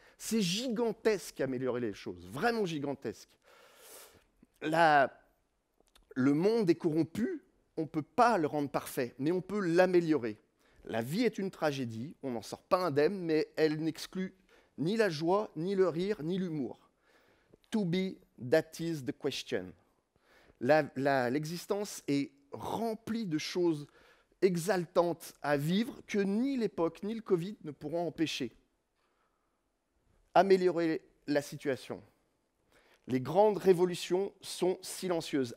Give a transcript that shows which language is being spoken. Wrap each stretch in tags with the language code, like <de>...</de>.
<fr>C'est gigantesque améliorer les choses, vraiment gigantesque. Le monde est corrompu, on ne peut pas le rendre parfait, mais on peut l'améliorer. La vie est une tragédie, on n'en sort pas indemne, mais elle n'exclut ni la joie, ni le rire, ni l'humour.</fr> <en>To be, that is the question.</en> <fr>L'existence est remplie de choses exaltantes à vivre que ni l'époque ni le Covid ne pourront empêcher. Améliorer la situation. Les grandes révolutions sont silencieuses.</fr>